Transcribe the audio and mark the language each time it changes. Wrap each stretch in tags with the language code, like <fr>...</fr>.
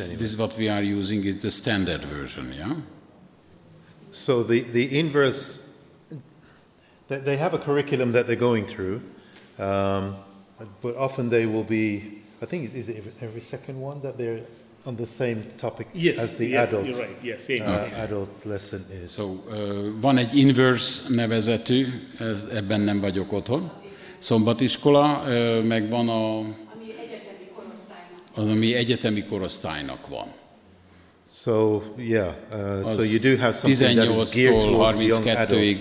<en>anyway. This is what we are using, is the standard version, yeah? So the inverse, they have a curriculum that they're going through, but often they will be, I think, is it every second one that they're on the same topic as the adult? Yes, you're right. Yes, okay. Adult lesson is.</en> <hu>So van egy inverse nevezetű, ez, ebben nem vagyok otthon. Szombatiskola, meg van a... ami egyetemi korosztálynak van.</hu> <en>So yeah, so you do have something that is geared towards</en> <hu>32-ig,</hu> <en>young adults,</en>